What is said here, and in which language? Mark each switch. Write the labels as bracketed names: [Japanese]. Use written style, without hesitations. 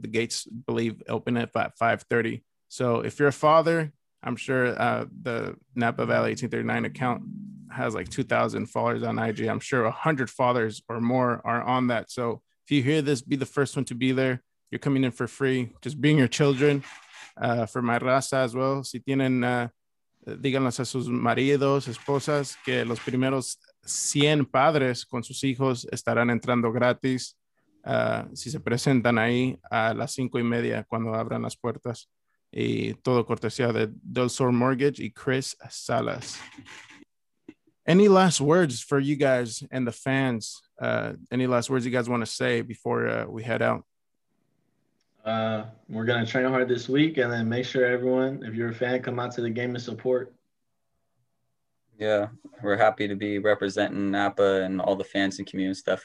[English] The gates, I believe, open at 5:30. So if you're a father, I'm sure the Napa Valley 1839 account has like 2,000 followers on IG. I'm sure 100 fathers or more are on that. So if you hear this, be the first one to be there. You're coming in for free. Just bring your children. For my raza as well, [Spanish] si tienen, díganos a sus maridos, esposas, que los primeros 100 padres con sus hijos estarán entrando gratis si se presentan ahí a las 5:30 cuando abran las puertas. Y todo cortesía de Del Sur Mortgage y Chris Salas. [English] Any last words for you guys and the fans? Any last words you guys want to say before we head out? We're going to train hard this week and then make sure everyone, if you're a fan, come out to the game and support. Yeah, we're happy to be representing Napa and all the fans and community stuff.